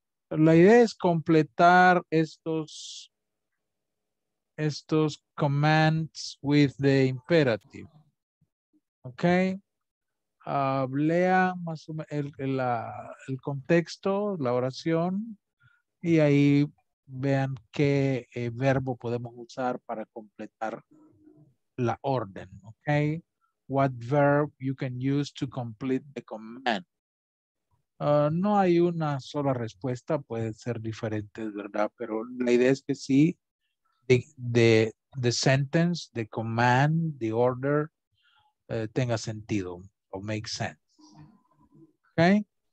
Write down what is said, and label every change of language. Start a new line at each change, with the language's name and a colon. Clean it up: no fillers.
Spanish: La idea es completar estos commands
English: with the imperative.
Spanish: ¿Ok? Lea más o menos el contexto, la oración, y ahí vean qué verbo podemos usar para completar la orden, okay?
English: What verb you can use to complete the command.
Spanish: No hay una sola respuesta, pueden ser diferentes, ¿verdad? Pero la idea es que sí,
English: the sentence, the command, the order,
Spanish: tenga sentido,
English: or make sense.
Spanish: Okay?